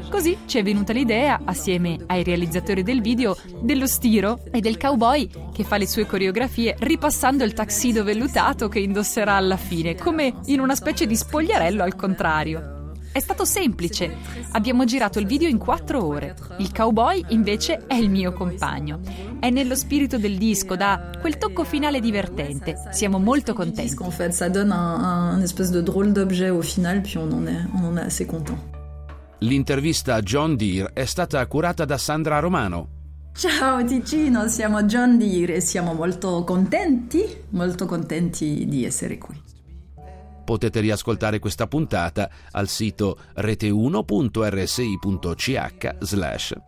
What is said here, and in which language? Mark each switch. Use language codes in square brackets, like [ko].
[it] Così ci è venuta l'idea, assieme ai realizzatori del video, dello stiro e del cowboy che fa le sue coreografie ripassando il tuxedo vellutato che indosserà alla fine, come in una specie di spogliarello al contrario. È stato semplice, abbiamo girato il video in 4 ore. Il cowboy invece è il mio compagno. È nello spirito del disco, dà quel tocco finale divertente. Siamo molto contenti. [fr] En fait, ça donne un espèce de drôle d'objet au final, puis on en est assez content. [it] L'intervista a John Deere è stata curata da Sandra Romano. Ciao Ticino, siamo John Deere e siamo molto contenti di essere qui. Potete riascoltare questa puntata al sito rete1.rsi.ch/